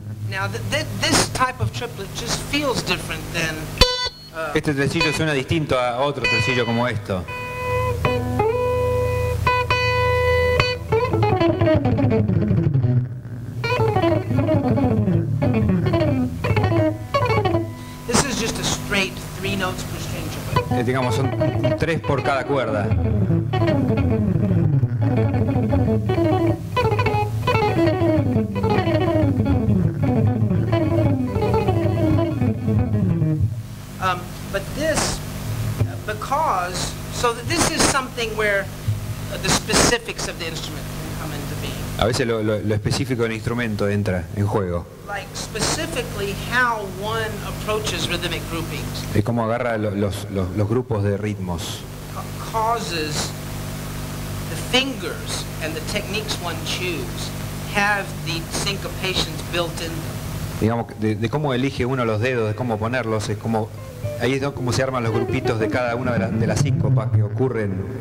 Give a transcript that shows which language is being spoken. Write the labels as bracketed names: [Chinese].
[English] Now this type of triplet just feels different than [Spanish] este tresillo suena distinto a otro tresillo como esto. [English] This is just a straight three notes per string. [Spanish] Digamos, son tres por cada cuerda. [English] But this, because, so this is something where the specifics of the instrument can come into being. [Spanish] A veces lo específico del instrumento entra en juego. [English] Like specifically how one approaches rhythmic groupings. [Spanish] Y cómo agarra los grupos de ritmos. [English] Causes the fingers and the techniques one chooses have the syncopations built in them. [Spanish] Digamos de cómo elige uno los dedos, de cómo ponerlos, es como ahí es como se arman los grupitos de cada una de las síncopas que ocurren.